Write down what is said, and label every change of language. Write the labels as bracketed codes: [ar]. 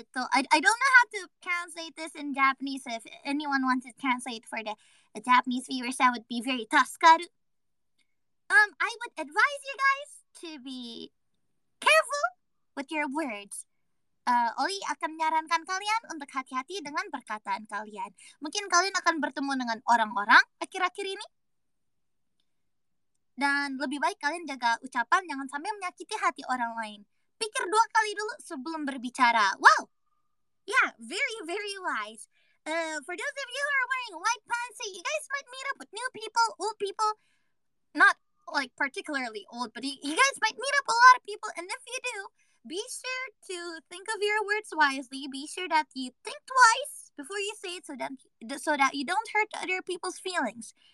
[en] I don't know how to translate this in Japanese. If anyone wants to translate for the Japanese viewers, that would be very tasukaru. I would advise you guys to be careful with your words. [id] Oli akan menyarankan kalian untuk hati-hati dengan perkataan kalian. Mungkin kalian akan bertemu dengan orang-orang akhir-akhir ini. Dan lebih baik kalian jaga ucapan, jangan sampai menyakiti hati orang lain. Pikir dua kali dulu sebelum berbicara. [en] Wow! Yeah, very, very wise. For those of you who are wearing white pants, so you guys might meet up with new people, old people. Not like particularly old, but you guys might meet up a lot of people. And if you do, be sure to think of your words wisely. Be sure that you think twice before you say it so that you don't hurt other people's feelings.